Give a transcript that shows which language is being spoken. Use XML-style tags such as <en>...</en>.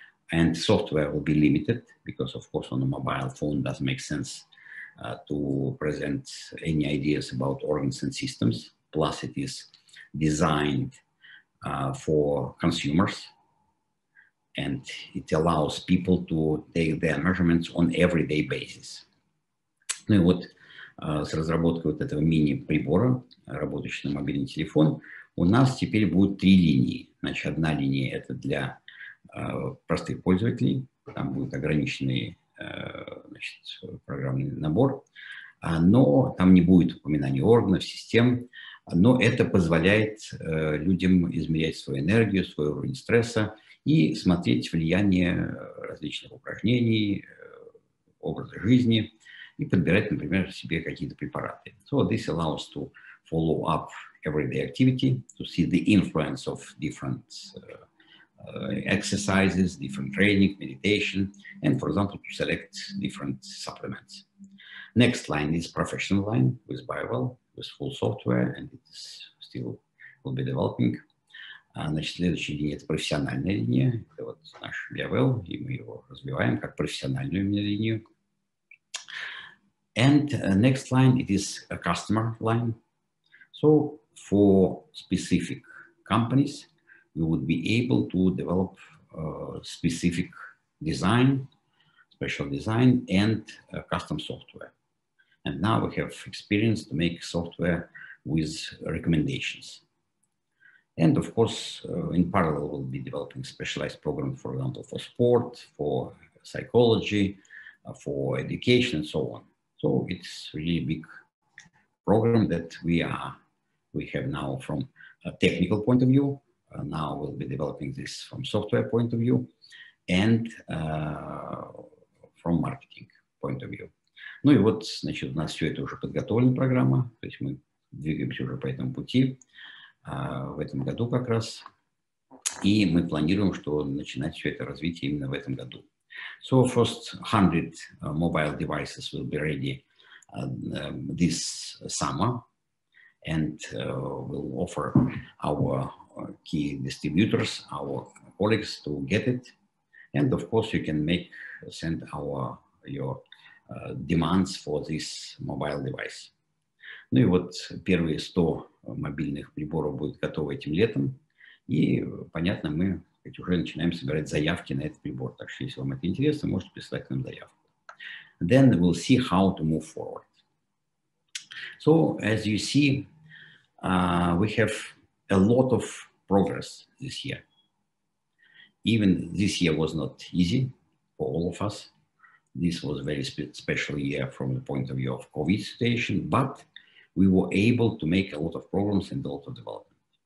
<en>And software will be limited because, of course, on a mobile phone doesn't make sense to present any ideas about organs and systems. Plus, it is designed for consumers, and it allows people to take their measurements on everyday basis.</en> <ru>Ну и вот с разработкой вот этого мини-прибора, работающего на мобильный телефон, у нас теперь будут три линии. Значит, одна линия – это для простых пользователей, там будет ограниченный значит, программный набор, но там не будет упоминаний органов, систем, но это позволяет людям измерять свою энергию, свой уровень стресса и смотреть влияние различных упражнений, образа жизни и подбирать, например, себе какие-то препараты.</ru> <en>So this allows to follow up everyday activity, to see the influence of different exercises, different training, meditation, and for example, to select different supplements. Next line is professional line with BioWell, with full software, and it still will be developing. Значит, следующая линия – это профессиональная линия. Это вот наш BioWell, и мы его развиваем как профессиональную линию. And next line, it is a customer line. So for specific companies, we would be able to develop specific design, special design and custom software. And now we have experience to make software with recommendations. And of course, in parallel, we'll be developing specialized programs, for example, for sport, for psychology, for education and so on. So it's really big program that we have now from a technical point of view. Now we'll be developing this from software point of view and from marketing point of view.</en> <ru>Ну и вот, значит, у нас все это уже подготовлена программа, то есть мы двигаемся уже по этому пути в этом году как раз. И мы планируем, что начинать все это развитие именно в этом году.</ru> <en>So first 100 mobile devices will be ready this summer and we'll offer our key distributors, our colleagues to get it. And of course you can make, send our, your demands for this mobile device.</en> <ru>Ну и вот первые 100 мобильных приборов будут готовы этим летом. И понятно, мы ведь уже начинаем собирать заявки на этот прибор. Так что, если вам это интересно, можете прислать нам заявку.</ru> <en>Then we'll see how to move forward. So, as you see, we have a lot of progress this year. Even this year was not easy for all of us. This was a very special year from the point of view of COVID situation, but we were able to make a lot of progress and a lot of development.</en>